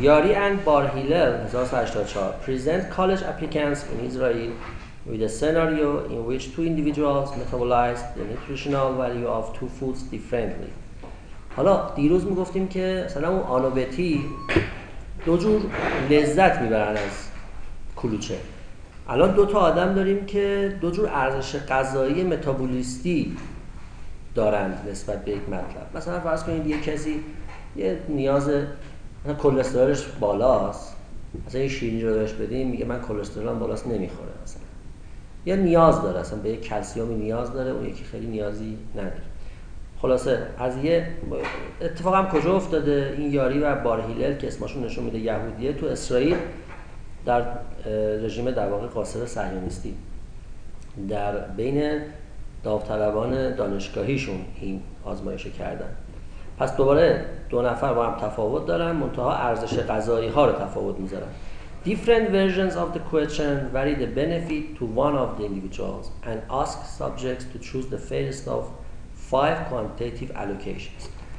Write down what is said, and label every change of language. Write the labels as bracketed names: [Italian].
[English] Yaari and Bar Hillel 1984 present college applicants in Israel with a scenario in which two individuals metabolize the nutritional value of two foods differently. [Persian] حالا دیروز میگفتیم که مثلا اون آنوبتی دو جور لذت میبرن از کلوچه. الان دو تا آدم داریم که دو جور ارزش غذایی متابولیستی دارند نسبت به یک مطلب. مثلا فرض کنید یه کسی یه نیاز کلسترولش بالاست، مثلا این شیرینی رو بهش بدیم میگه من کلسترولم بالاست نمیخوره، مثلا یه نیاز داره، اصلا به یک کلسیومی نیاز داره، اون یکی خیلی نیازی نداره. خلاصه از یه اتفاق هم کجا افتاده، این یاری و بارهیلل که اسمشون نشون میده یهودیه، تو اسرائیل در رژیم در واقع قاصر صهیونیستی در بین داوطلبان دانشگاهیشون این آزمایش رو کردن. پس دوباره دو نفر با هم تفاوت دارن، منتها ارزش غذایی ها رو تفاوت میذارن. [English] Different versions of the question vary the benefit to one of the individuals and ask subjects to choose the fairest of five quantitative allocations.